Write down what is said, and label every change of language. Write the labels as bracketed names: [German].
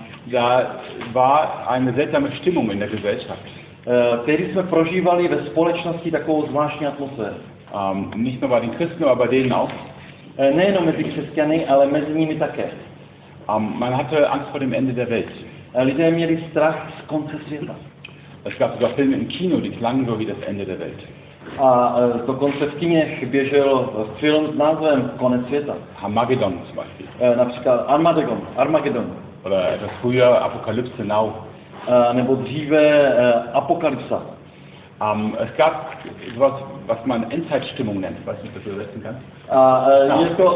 [German] Da war eine seltsame Stimmung in der Gesellschaft. [Czech] Tehdy jsme prožívali ve společnosti takovou zvláštní atmosféru. [German] Nicht nur bei den Christen, aber denen auch. [Czech] Nejenom mezi křesťany, ale mezi nimi také. [German] Man hatte Angst vor dem Ende der Welt. [Czech] Lidé měli strach z konce světa. [German] Es gab sogar Filme im Kino, die klangen so wie das Ende der Welt. [Czech] A dokonce v kinech běžel film s názvem Konec světa. [German] Armageddon zum Beispiel. [Czech] Například Armageddon. [German] Oder etwas früher Apokalypse Now. [Czech] Nebo dříve Apokalypsa. [German] Es gab etwas, was man Endzeitstimmung nennt. Ich weiß nicht, ob du das übersetzen kannst.